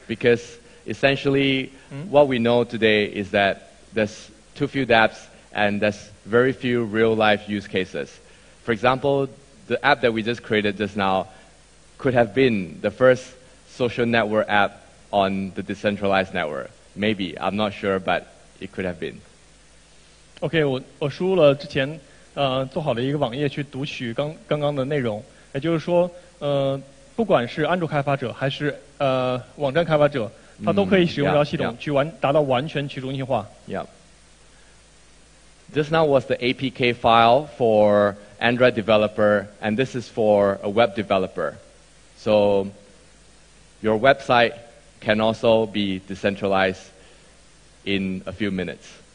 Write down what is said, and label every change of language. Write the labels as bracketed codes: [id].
[en] Because essentially, what we know today is that there's too few dApps. And there's very few real-life use cases. For example, the app that we just created just now could have been the first social network app on the decentralized network. Maybe, I'm not sure, but it could have been. [zh] Okay, 我输入了之前做好的一个网页去读取刚刚的内容，也就是说，不管是安卓开发者还是网站开发者，他都可以使用这条系统去达到完全去中心化。 [en] Yeah. This now was the APK file for Android developer, and this is for a web developer. So your website can also be decentralized in a few minutes.